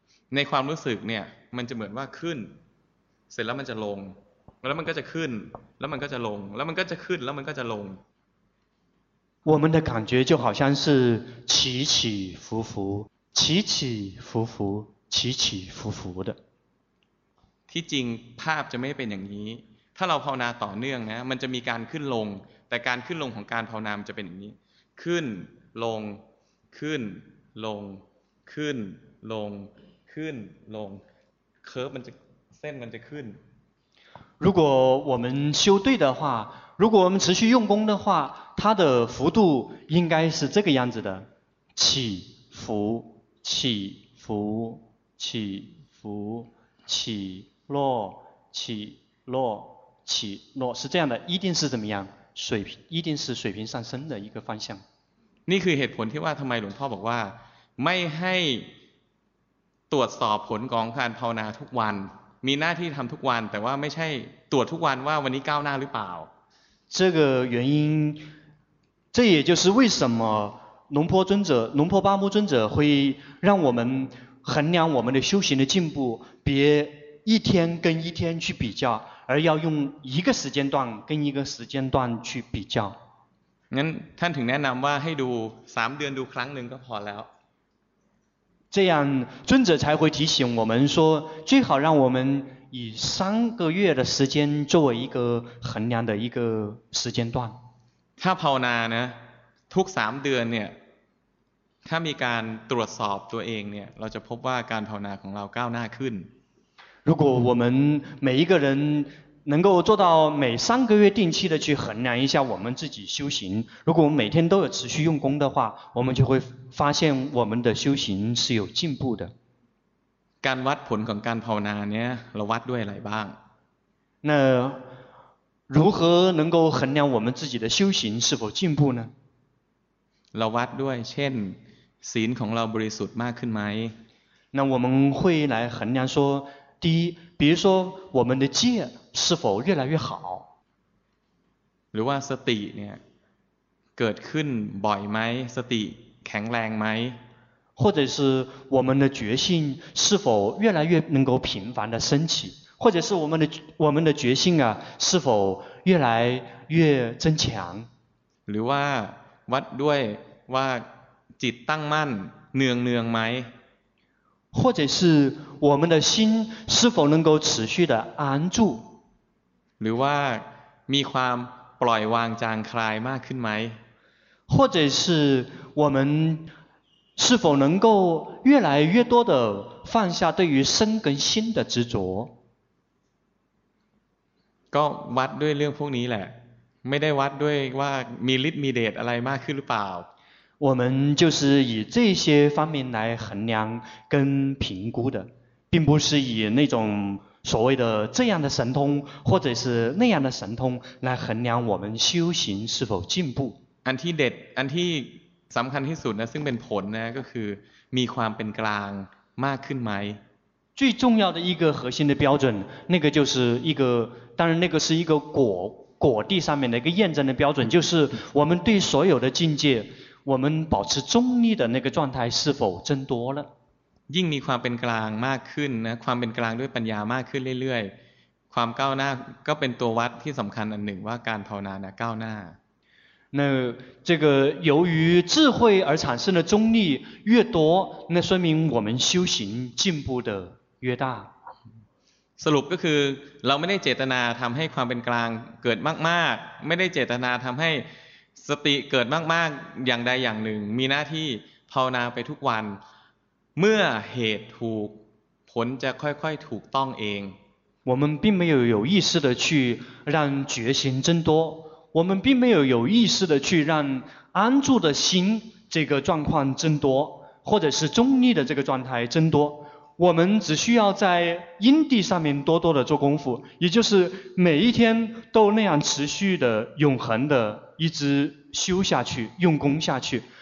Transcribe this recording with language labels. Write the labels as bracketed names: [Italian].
[Thai] ในความรู้สึกเนี่ย，มันจะเหมือนว่าขึ้น，เสร็จแล้วมันจะลง，แล้วมันก็จะขึ้น，แล้วมันก็จะลง，แล้วมันก็จะขึ้น，แล้วมันก็จะลง。 [Chinese] 我们的感觉就好像是起起伏伏，起起伏伏，起起伏伏的。 [Thai] ที่จริงภาพจะไม่เป็นอย่างนี้ถ้าเราภาวนาต่อเนื่องนะมันจะมีการขึ้นลงแต่การขึ้นลงของการภาวนามันจะเป็นอย่างนี้ขึ้นลงขึ้นลงขึ้นลงขึ้นลงเคิร์ฟมันจะเส้นมันจะขึ้น [Chinese] 如果我们修对的话如果我们持续用功的话它的幅度应该是这个样子的起伏起伏起伏起落起落起落是这样的一定是怎么样水一定是水平上升的一个方向 [Thai] นี่คือเหตุผลที่ว่าทำไมหลวงพ่อบอกว่าไม่ให้ตรวจสอบผลของการภาวนาทุกวันมีหน้าที่ทำทุกวันแต่ว่าไม่ใช่ตรวจทุกวันว่าวันนี้ก้าวหน้าหรือเปล่า [Chinese] 这个原因这也就是为什么龙坡尊者龙坡八木尊者会让我们衡量我们的修行的进步别一天跟一天去比较而要用一个时间段跟一个时间段去比较 [Thai] งั้นท่านถึงแนะนำว่าให้ดู3เดือนดูครั้งหนึ่งก็พอแล้ว [Chinese] 这样尊者才会提醒我们说最好让我们以3个月的时间作为一个衡量的一个时间段 [Thai] ถ้าภาวนานะทุก3เดือนเนี่ยถ้ามีการตรวจสอบตัวเองเนี่ยเราจะพบว่าการภาวนาของเราก้าวหน้าขึ้น [Chinese] 如果我们每一个人能够做到每三个月定期的去衡量一下我们自己修行，如果我们每天都有持续用功的话，我们就会发现我们的修行是有进步的。 [Thai] การวัดผลของการภาวนาเนี่ย，เราวัดด้วยอะไรบ้าง？ [Chinese] 那如何能够衡量我们自己的修行是否进步呢？ [Thai] เราวัดด้วยเช่นศีลของเราบริสุทธิ์มากขึ้นไหม？ [Chinese] 那我们会来衡量说。第一，比如说我们的戒是否越来越好？ [Thai] หรือว่าสติเนี่ยเกิดขึ้นบ่อยไหม？ สติแข็งแรงไหม？ [Chinese] 或者是我们的觉性是否越来越能够频繁的升起？或者是我们的觉性啊是否越来越增强？ [Thai] หรือว่าวัดด้วยว่าจิตตั้งมั่นเนืองเนืองไหม？ [Chinese] 或者是我们的心是否能够持续的安住 [Thai] หรือว่ามีความปล่อยวางจางคลายมากขึ้นไหม [Chinese] 或者是我们是否能够越来越多的放下对于身跟心的执着 [Thai] ก็วัดด้วยเรื่องพวกนี้แหละไม่ได้วัดด้วยว่ามีฤทธิ์มีเดชอะไรมากขึ้นหรือเปล่า [Chinese] 我们就是以这些方面来衡量跟评估的并不是以那种所谓的这样的神通或者是那样的神通来衡量我们修行是否进步 [Thai] อันที่เด็ดอันที่สำคัญที่สุดนะซึ่งเป็นผลนะก็คือมีความเป็นกลางมากขึ้นไหม [Chinese] 最重要的一个核心的标准那个就是一个当然那个是一个果地上面的一个验证的标准就是我们对所有的境界我们保持中立的那个状态是否增多了 [Thai] ยิ่งมีความเป็นกลางมากขึ้นนะความเป็นกลางด้วยปัญญามากขึ้นเรื่อยๆความก้าวหน้าก็เป็นตัววัดที่สำคัญอันหนึ่งว่าการภาวนานะก้าวหน้า [Chinese] 那这个由于智慧而产生的中立越多那说明我们修行进步的越大 [Thai] สรุปก็คือเราไม่ได้เจตนาทำให้ความเป็นกลางเกิดมากๆไม่ได้เจตนาทำให้ สติเกิดมากๆอย่างใดอย่างหนึ่งมีหน้าที่ภาวนาไปทุกวันเมื่อเหตุถูกผลจะค่อยๆถูกต้องเอง [Chinese] 我们并没有有意识的去让觉心增多我们并没有有意识的去让安住的心这个状况增多或者是中立的这个状态增多我们只需要在因地上面多多的做功夫也就是每一天都那样持续的永恒的一直修下去用功下去